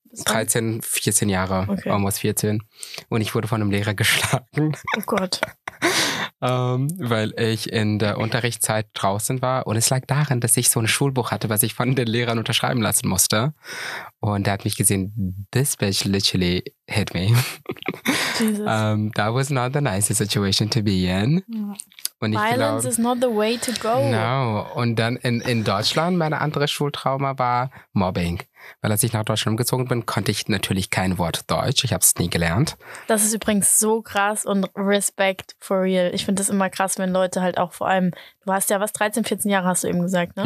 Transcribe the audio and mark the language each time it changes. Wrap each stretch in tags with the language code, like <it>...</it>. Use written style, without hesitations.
<de>13, 14 Jahre, okay.</de> <en>almost 14.</en> <de>Und ich wurde von einem Lehrer geschlagen. Oh Gott. weil ich in der Unterrichtszeit draußen war. Und es lag daran, dass ich so ein Schulbuch hatte, was ich von den Lehrern unterschreiben lassen musste. Und er hat mich gesehen,</de> <en>this bitch literally hit me. Jesus. That was not the nicest situation to be in.</en> <de>Und</de> <en>violence is not the way to go. No.</en> <de>Und dann in Deutschland, mein anderes Schultrauma war Mobbing. Weil als ich nach Deutschland umgezogen bin, konnte ich natürlich kein Wort Deutsch. Ich habe es nie gelernt. Das ist übrigens so krass und Respect for real. Ich finde das immer krass, wenn Leute halt auch vor allem, du hast ja was, 13, 14 Jahre hast du eben gesagt, ne?</de>